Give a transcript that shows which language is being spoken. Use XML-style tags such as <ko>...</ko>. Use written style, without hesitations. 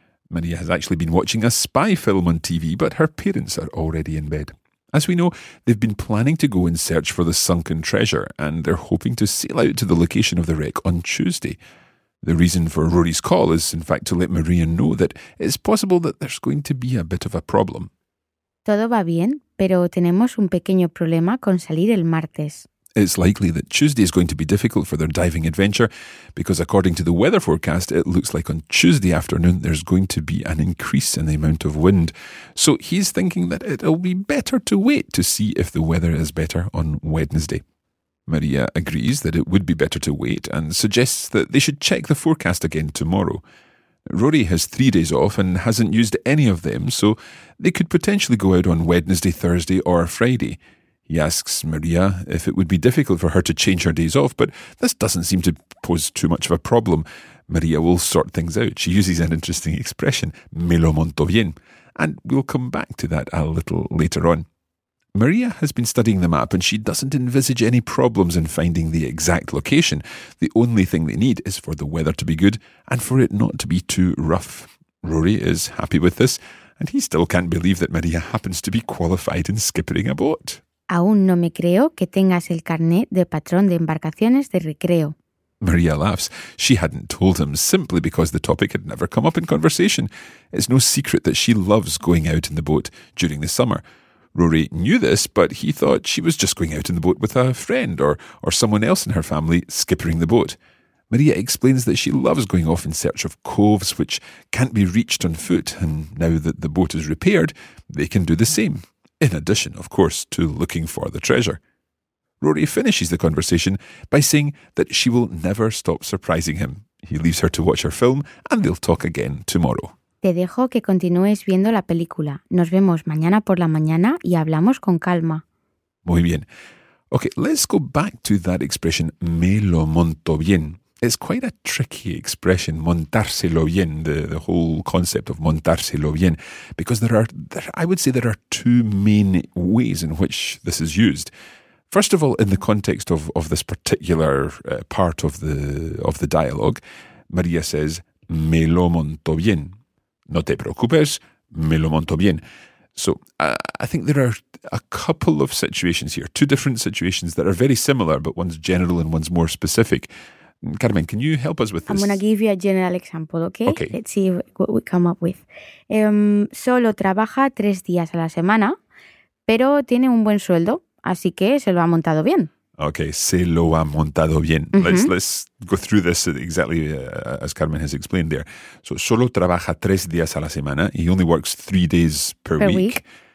<en>Maria has actually been watching a spy film on TV, but her parents are already in bed. As we know, they've been planning to go in search for the sunken treasure and they're hoping to sail out to the location of the wreck on Tuesday. The reason for Rory's call is, in fact, to let Maria know that it's possible that there's going to be a bit of a problem.</en> <es>Todo va bien, pero tenemos un pequeño problema con salir el martes.</es> <en>It's likely that Tuesday is going to be difficult for their diving adventure because according to the weather forecast, it looks like on Tuesday afternoon there's going to be an increase in the amount of wind. So he's thinking that it'll be better to wait to see if the weather is better on Wednesday. Maria agrees that it would be better to wait and suggests that they should check the forecast again tomorrow. Rory has 3 days off and hasn't used any of them, so they could potentially go out on Wednesday, Thursday or Friday. He asks Maria if it would be difficult for her to change her days off, but this doesn't seem to pose too much of a problem. Maria will sort things out. She uses an interesting expression,</en> <es>me lo monto bien,</es> <en>and we'll come back to that a little later on. Maria has been studying the map and she doesn't envisage any problems in finding the exact location. The only thing they need is for the weather to be good and for it not to be too rough. Rory is happy with this and he still can't believe that Maria happens to be qualified in skippering a boat.</en> <es>Aún no me creo que tengas el carnet de patrón de embarcaciones de recreo.</es> <en>Maria laughs. She hadn't told him simply because the topic had never come up in conversation. It's no secret that she loves going out in the boat during the summer. Rory knew this, but he thought she was just going out in the boat with a friend or someone else in her family skippering the boat. Maria explains that she loves going off in search of coves which can't be reached on foot, and now that the boat is repaired, they can do the same. In addition, of course, to looking for the treasure. Rory finishes the conversation by saying that she will never stop surprising him. He leaves her to watch her film, and they'll talk again tomorrow.</en> <es>Te dejo que continúes viendo la película. Nos vemos mañana por la mañana y hablamos con calma. Muy bien.</es> <en>Okay, let's go back to that expression,</en> <es>me lo monto bien.</es> <en>It's quite a tricky expression,</en> <es>montárselo bien,</es> <en>the whole concept of montárselo bien, because there are two main ways in which this is used. First of all, in the context of this particular part of the dialogue, Maria says,</en> <es>me lo monto bien. No te preocupes, me lo monto bien.</es> <en>So I think there are a couple of situations here, two different situations that are very similar, but one's general and one's more specific. Carmen, can you help us with this? I'm going to give you a general example, okay? Okay. Let's see what we come up with.</en> <es>Solo trabaja 3 días a la semana, pero tiene un buen sueldo, así que se lo ha montado bien. Okay, se lo ha montado bien. Mm-hmm.</es> <en>Let's go through this exactly as Carmen has explained there.</en> <es>So, solo trabaja 3 días a la semana.</es> <en>He only works 3 days per week.</en>